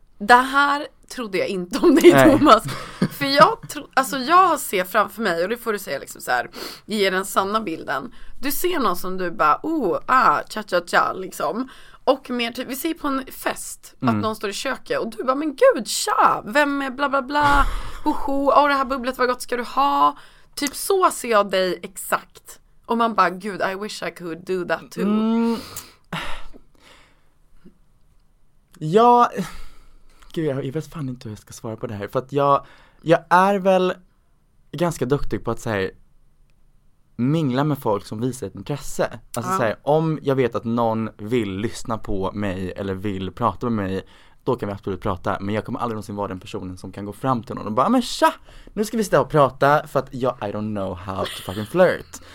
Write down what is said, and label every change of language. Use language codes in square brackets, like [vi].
[sv] Det här trodde jag inte om dig. Nej. Thomas. För jag tror, alltså jag ser framför mig, och det får du säga liksom så här, ge den sanna bilden. Du ser någon som du bara, cha cha cha liksom. Och mer typ, vi ser på en fest att någon står i köket och du bara, men gud, tja, vem är bla bla bla, hoho, oh, det här bubblet, vad gott ska du ha? Typ så ser jag dig exakt. Och man bara, gud, [en] I wish I could do that too. Mm. [sv] Ja, gud, jag vet fan inte hur jag ska svara på det här. För att jag är väl ganska duktig på att säga mingla med folk som visar ett intresse. Alltså så här, om jag vet att någon vill lyssna på mig eller vill prata med mig, då kan vi absolut prata, men jag kommer aldrig någonsin vara den personen som kan gå fram till någon och bara, men tja, nu ska vi sitta och prata, för att jag, [en] I don't know how to fucking flirt.